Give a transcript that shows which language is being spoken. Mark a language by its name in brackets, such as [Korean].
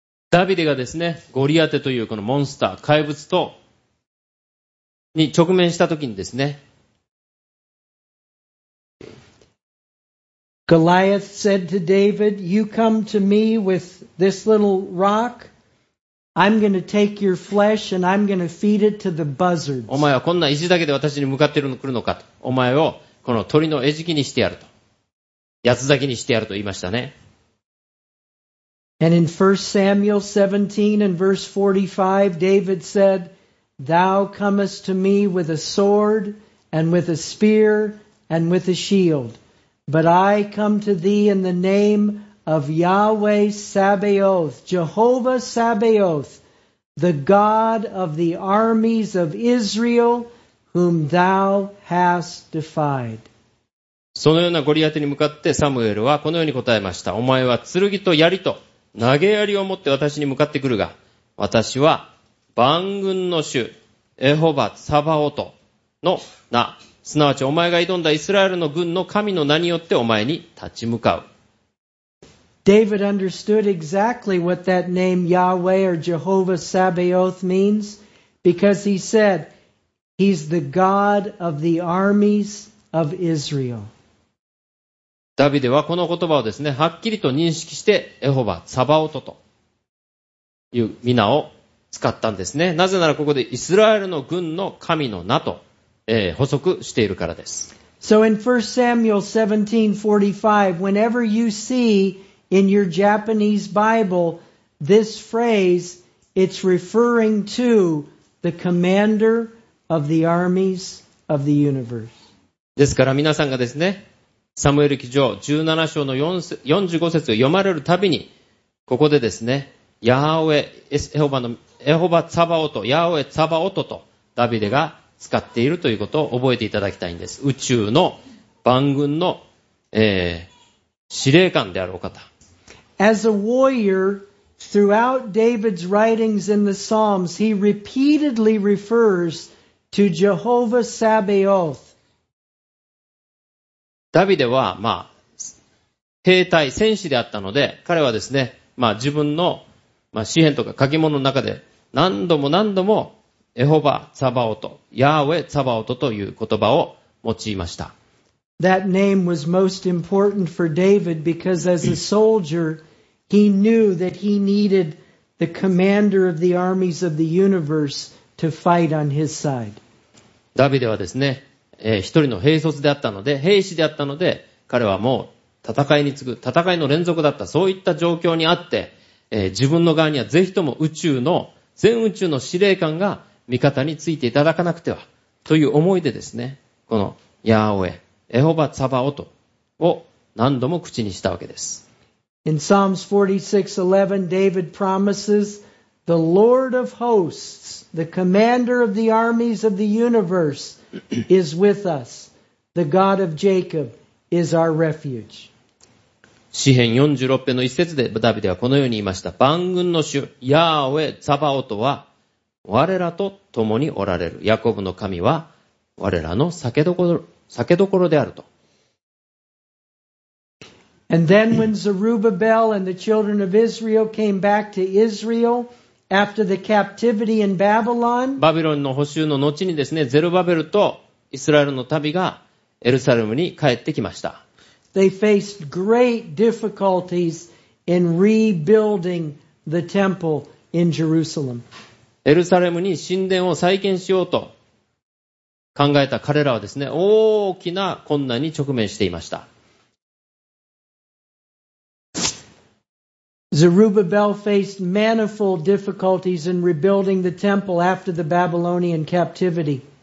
[Japanese] ダビデがですね、ゴリアテというこのモンスター、怪物と、に直面したときにですね。 [English] Goliath said to David, You come to me with this little rock, I'm going to take your flesh and I'm going to feed it to the buzzards. [Japanese] お前はこんな石だけで私に向かって来るのかと。お前をこの鳥の餌食にしてやると。八つ咲きにしてやると言いましたね。 [English] And in 1 Samuel 17 and verse 45, David said, Thou comest to me with a sword and with a spear and with a shield, but I come to thee in the name of Yahweh Sabaoth, Jehovah Sabaoth, the God of the armies of Israel, whom thou hast defied. [Japanese] そのようなゴリアテに向かってサムエルはこのように答えました。お前は剣と槍と投げ槍を持って私に向かってくるが、私は万軍の主エホバ・サバオトの名、すなわちお前が挑んだイスラエルの軍の神の名によってお前に立ち向かう。 [English] David understood exactly what that name Yahweh or Jehovah Sabaoth means because he said, He's the God of the armies of Israel. [Japanese] ダビデはこの言葉をですね、はっきりと認識して、エホバ・サバオトという名を使ったんですね。なぜならここでイスラエルの軍の神の名と、補足しているからです。 [English] So in 1 Samuel 17:45, whenever you see in your Japanese Bible this phrase, it's referring to the commander of the armies of the universe. [Japanese] ですから皆さんがですね、サムエル記上17章の45節を読まれるたびに、ここでですね、ヤーウェ、エホバ・ツァバオト、ヤーウェ・ツァバオトとダビデが使っているということを覚えていただきたいんです。宇宙の万軍の、司令官であるお方。 [English] As a warrior, throughout David's writings in the Psalms, he repeatedly refers to Jehovah Sabaoth. [Japanese] ダビデは、まあ、兵隊、戦士であったので、彼はですね、まあ、自分の、まあ、詩編とか書き物の中で、何度も何度も、エホバ・サバオト、ヤーウェ・サバオトという言葉を用いました。 [English] That name was most important for David because as a soldier, he knew that he needed the commander of the armies of the universe to fight on his side. [Japanese] ダビデはですね、一人の兵卒であったので、兵士であったので、彼はもう戦いに次ぐ、戦いの連続だった、そういった状況にあって、自分の側にはぜひとも宇宙の、全宇宙の司令官が味方についていただかなくては、という思いでですね、このヤーウェ、エホバ・サバオトを何度も口にしたわけです。 [English] In Psalms 46:11, David promises, The Lord of hosts, the commander of the armies of the universe, is with us. The God of Jacob is our refuge. [Japanese] 詩編46編の一節でダビデはこのように言いました。万軍の主、ヤーウェ・サバオトは我らと共におられる。ヤコブの神は我らの酒どころであると。 [English] And then when Zerubbabel and the children of Israel came back to Israel after the captivity in Babylon, [Japanese] バビロンの捕囚の後にですね、ゼルバベルとイスラエルの旅がエルサレムに帰ってきました。 [English] They faced great difficulties in rebuilding the temple in Jerusalem. [Japanese] エルサレムに神殿を再建しようと考えた彼らはですね、大きな困難に直面していました。 [English] Zerubbabel faced manifold difficulties in rebuilding the temple after the Babylonian captivity.